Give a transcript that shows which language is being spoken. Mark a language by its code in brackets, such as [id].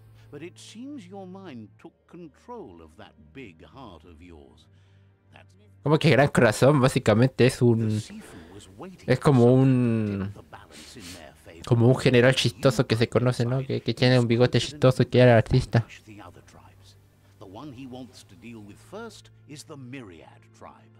[en] But it seems your mind took control of that big heart of yours. [es] Como que Gran Corazón básicamente es un... Es como un general chistoso que se conoce, ¿no? Que tiene un bigote chistoso y que era artista. [en] The one he wants to deal with first is the Myriad tribe.